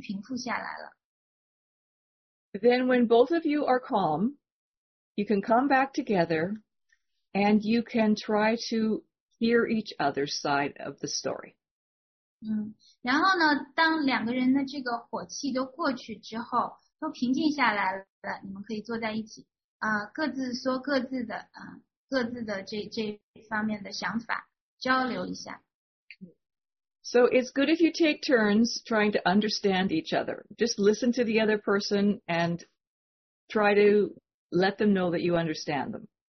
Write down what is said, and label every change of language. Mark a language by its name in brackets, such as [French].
[Chinese] 你可以根据自己的情况，可以去看一本书，或者到外面去散散步，去呼吸一下新鲜的空气，这样子呢，就让自己的这个情绪平复下来了。Then [English] when both of you are calm, you can come back together, and you can try to hear each other's side of the story. [Chinese] 然后呢，当两个人的这个火气都过去之后， 都平静下来了，你们可以坐在一起，各自说各自的，各自的这方面的想法，交流一下。So [English] it's good if you take turns trying to understand each other. Just listen to the other person and try to let them know that you understand them.